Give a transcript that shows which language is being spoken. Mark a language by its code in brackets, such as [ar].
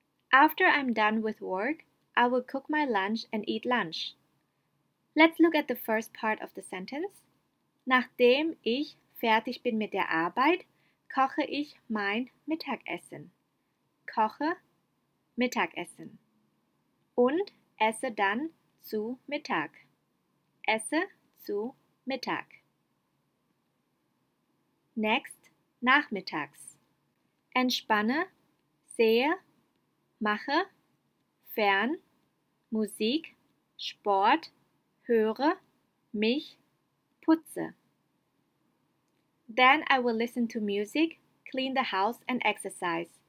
[en] After I'm done with work, I will cook my lunch and eat lunch. Let's look at the first part of the sentence. [de] Nachdem ich fertig bin mit der Arbeit, koche ich mein Mittagessen. Koche Mittagessen. Und esse dann zu Mittag. Esse zu Mittag. [en] Next, [de] nachmittags. Entspanne, sehe, mache, fern, Musik, Sport, höre, mich, putze. [en] Then I will listen to music, clean the house and exercise.